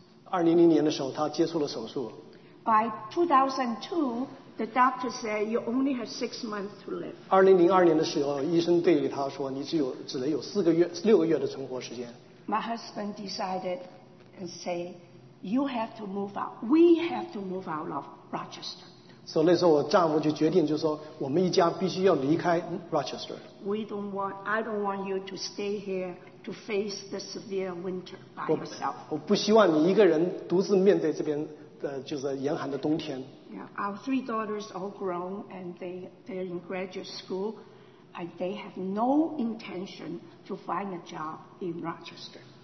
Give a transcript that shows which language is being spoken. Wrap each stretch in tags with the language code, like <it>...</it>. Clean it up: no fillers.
<zh>2000年的时候他接受了手术。</zh> <en>By 2002, the doctor said you only have 6 months to live.</en> <zh>2002年的时候医生对他说你只能有四个月六个月的存活时间。</zh> <en>My husband decided and said, you have to move out. We have to move out of Rochester.</en> <zh>So 那时候我丈夫就决定就说我们一家必须要离开 Rochester.</zh> <en>I don't want you to stay here. To face the severe winter by yourself.</en> <zh>我不希望你一个人独自面对这边的就是严寒的冬天。</zh> <en>Yeah, our three daughters all grown and they're in graduate school, and they have no intention to find a job in Rochester.</en>